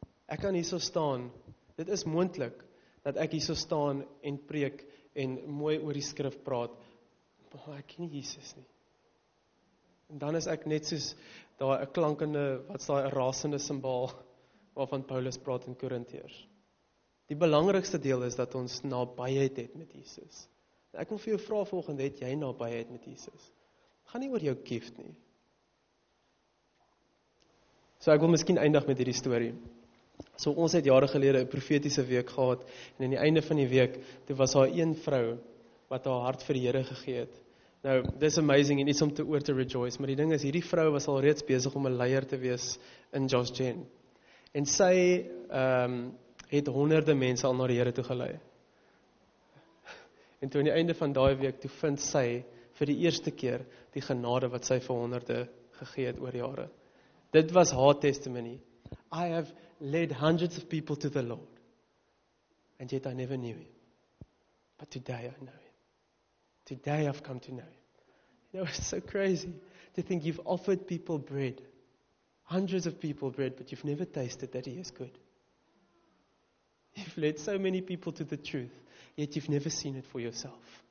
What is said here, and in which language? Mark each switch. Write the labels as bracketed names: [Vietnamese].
[Afrikaans] Ek kan hier so staan, dit is moontlik, dat ek hier so staan en preek, en mooi oor die skrif praat, maar ek ken nie Jesus nie. En dan is ek net soos, daar een klankende, wat is daar, een rasende simbaal, waarvan Paulus praat in Korintiërs. Die belangrikste deel is, dat ons nabyheid het met Jesus. Ek wil vir jou vraag volgende, het jy nabyheid met Jesus? Ga nie oor jou gift nie. So ek wil miskien eindig met hierdie story. So ons het jare gelede een profetiese week gehad, en in die einde van die week, toe was daar een vrou, wat haar hart vir die Here gegee het. Nou, dis amazing, en iets om oor te rejoice, maar die ding is, hierdie vrou was al reeds bezig om 'n leier te wees in Josh Jen. En sy het honderde mense al naar die Here toe gelei. En toe aan die einde van daai week, toe vind sy vir die eerste keer die genade wat sy vir honderde gegee het oor jare. Dit was haar testimony. [English] I have led hundreds of people to the Lord. And yet I never knew him. But today I know him. Today I've come to know him. You know, it's so crazy to think you've offered people bread. Hundreds of people bread, but you've never tasted that he is good. You've led so many people to the truth, yet you've never seen it for yourself.